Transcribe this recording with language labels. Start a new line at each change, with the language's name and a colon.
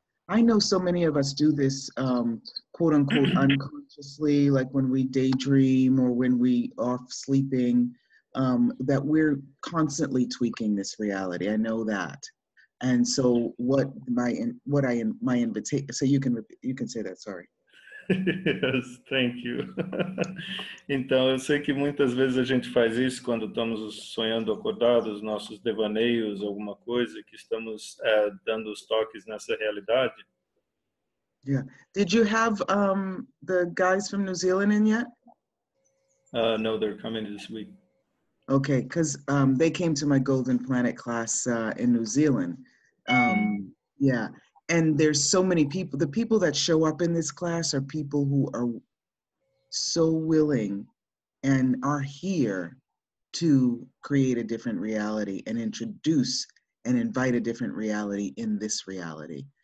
English: I know so many of us do this, quote unquote, unconsciously, like when we daydream or when we off sleeping. That we're constantly tweaking this reality. I know that. And so my invitation, so you can say that, sorry. Yes, thank you.
Portuguese: Então, eu sei que muitas vezes a gente faz isso quando estamos sonhando acordados, nossos devaneios, alguma coisa, que estamos dando os toques nessa realidade.
English: Yeah. Did you have the guys from New Zealand in yet? No, they're coming this week. Okay, because they came to my Golden Planet class in New Zealand. Yeah, and there's so many people. The people that show up in this class are people who are so willing and are here to create a different reality and introduce and invite a different reality in this reality.